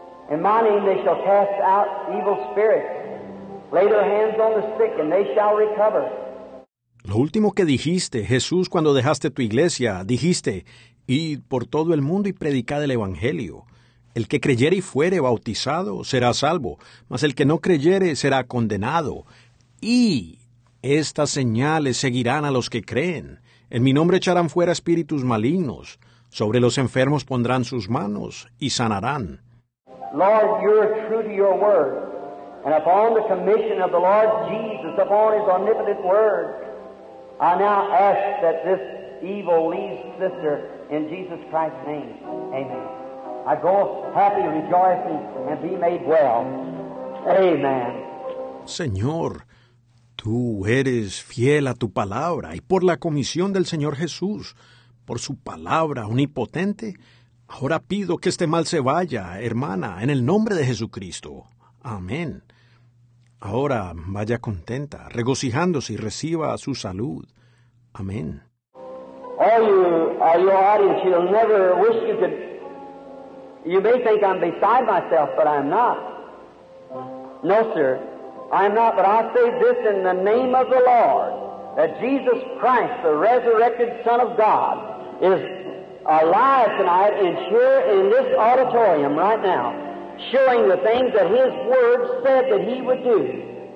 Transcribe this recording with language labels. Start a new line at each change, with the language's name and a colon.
English: In my name they shall cast out evil spirits, lay their hands on the sick, and they shall recover.
Spanish: Lo último que dijiste, Jesús, cuando dejaste tu iglesia, dijiste, id por todo el mundo y predicad el Evangelio. El que creyere y fuere bautizado será salvo, mas el que no creyere será condenado. Y estas señales seguirán a los que creen. En mi nombre echarán fuera espíritus malignos. Sobre los enfermos pondrán sus manos y sanarán.
English: Lord, you are true to your word. And upon the commission of the Lord Jesus, upon his omnipotent word, I now ask that this evil leaves sister in Jesus Christ's name. Amen. I go happy, rejoicing, and be made well. Amen.
Spanish: Señor, tú eres fiel a tu palabra, y por la comisión del Señor Jesús, por su palabra omnipotente, ahora pido que este mal se vaya, hermana, en el nombre de Jesucristo. Amén. Ahora vaya contenta, regocijándose y reciba su salud. Amén.
English: All you, your audience, you'll never wish you could. You may think I'm beside myself, but I'm not. No, sir, I'm not. But I say this in the name of the Lord, that Jesus Christ, the resurrected Son of God, is alive tonight and here in this auditorium right now, showing the things that his word said that he would do.